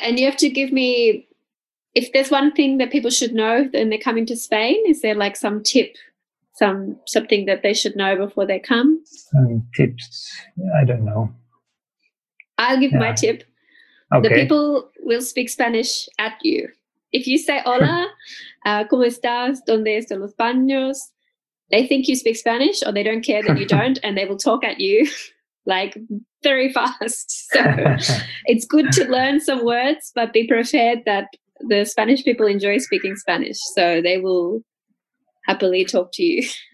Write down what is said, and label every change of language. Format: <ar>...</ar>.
<en>And you have to give me, if there's one thing that people should know and they're coming to Spain, is there some tip something that they should know before they come? Tips? I don't know. I'll give my tip. Okay. The people will speak Spanish at you.</en> <es>If you say hola, ¿cómo estás? ¿Dónde están los baños?</es> <en>They think you speak Spanish or they don't care that you don't, and they will talk at you like very fast. So it's good to learn some words, but be prepared that the Spanish people enjoy speaking Spanish, so they will happily talk to you.</en>